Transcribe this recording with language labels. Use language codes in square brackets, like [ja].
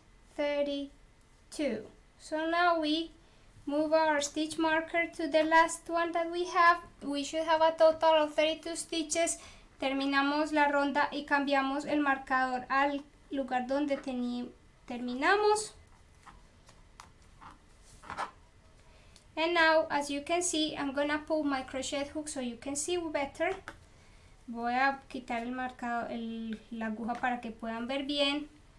[en] 30, 31, and 32. So now we move our stitch marker to the last one that we have. We should have a total of 32 stitches. [es] Terminamos la ronda y cambiamos el marcador al lugar donde terminamos. [en] And now, as you can see, I'm gonna pull my crochet hook so you can see better. [es] Voy a quitar el marcador, la aguja para que puedan ver bien.